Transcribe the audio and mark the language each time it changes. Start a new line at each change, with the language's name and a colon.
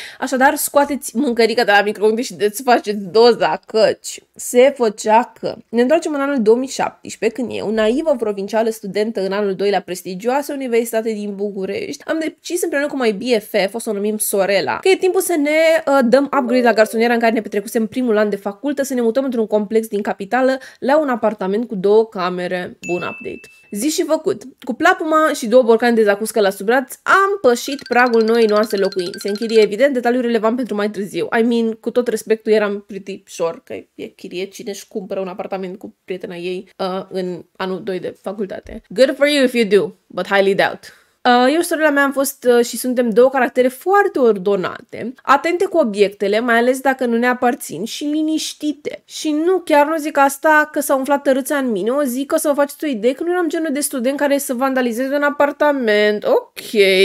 Romanian: Așadar, scoateți mâncărica de la microunde și desfaceți doza, căci se făcea că ne întoarcem în anul 2017, când eu, naivă provincială studentă în anul 2 la prestigioasă universitate din București, am decis împreună cu mai BFF, o să o numim Sorela, că e timpul să ne dăm upgrade la garsoniera care ne petrecusem primul an de facultă, să ne mutăm într-un complex din capitală la un apartament cu două camere. Bun update. Zi și făcut. Cu plapuma și două borcane de zacuscă la sub braț, am pășit pragul noii noastre locuințe. Se închirie, evident, detaliu relevant pentru mai târziu.
English: I mean,
Romanian: cu tot respectul, eram
English: pretty sure
Romanian: că e chirie cine își cumpără un apartament cu prietena ei în anul 2 de facultate.
English: Good for you if you do, but highly doubt.
Romanian: Eu și sorela mea am fost și suntem două caractere foarte ordonate, atente cu obiectele, mai ales dacă nu ne aparțin, și liniștite. Și nu, chiar nu zic asta că s-a umflat tărâța în mine, o zic că o să vă faceți o idee că nu eram genul de student care să vandalizeze un apartament. Ok.